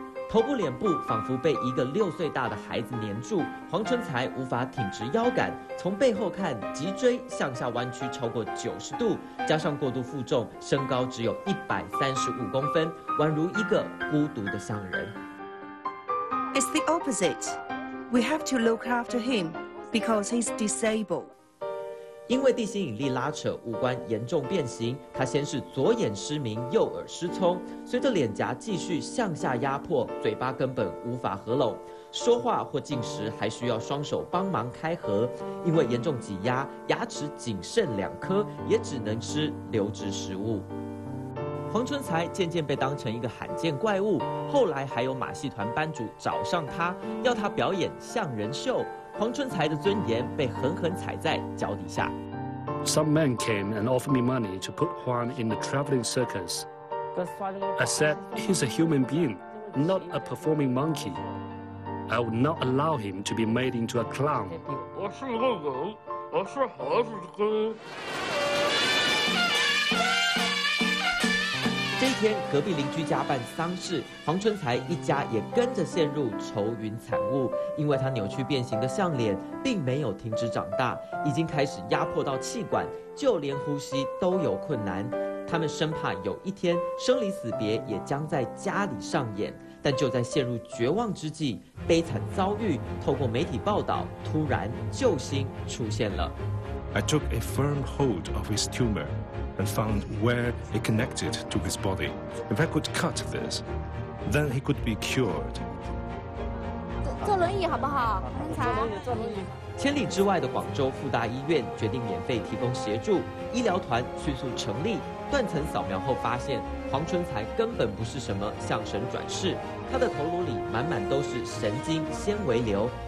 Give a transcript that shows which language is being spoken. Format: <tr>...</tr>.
<zh>头部脸部仿佛被一个6岁大的孩子黏住，黄春才无法挺直腰杆，从背后看脊椎向下弯曲超过90度，加上过度负重，身高只有135公分，宛如一个孤独的象人。</zh> <en>It's the opposite. We have to look after him because he's disabled.</en> <zh>因为地心引力拉扯，五官严重变形，他先是左眼失明，右耳失聪，随着脸颊继续向下压迫，嘴巴根本无法合拢，说话或进食还需要双手帮忙开合，因为严重挤压，牙齿仅剩2颗，也只能吃流质食物。黄春才渐渐被当成一个罕见怪物，后来还有马戏团班主找上他，要他表演象人秀，黄春才的尊严被狠狠踩在脚底下。</zh> <en>Some men came and offered me money to put Juan in the traveling circus. I said he's a human being, not a performing monkey. I would not allow him to be made into a clown.</en> <zh>我是一个人，我是猴子哥。天，隔壁邻居家办丧事，黄春才一家也跟着陷入愁云惨雾，因为他扭曲变形的相脸并没有停止长大，已经开始压迫到气管，就连呼吸都有困难。他们生怕有一天生离死别也将在家里上演，但就在陷入绝望之际，悲惨遭遇透过媒体报道，突然救星出现了。</zh> <en>I took a firm hold of his tumor and found where it connected to his body. If I could cut this, then he could be cured.</en> <zh>坐轮椅好不好？春才，坐轮椅，坐轮椅。千里之外的广州复大医院决定免费提供协助，医疗团迅速成立。断层扫描后发现，黄春才根本不是什么向神转世，他的头颅里满满都是神经纤维瘤。</zh>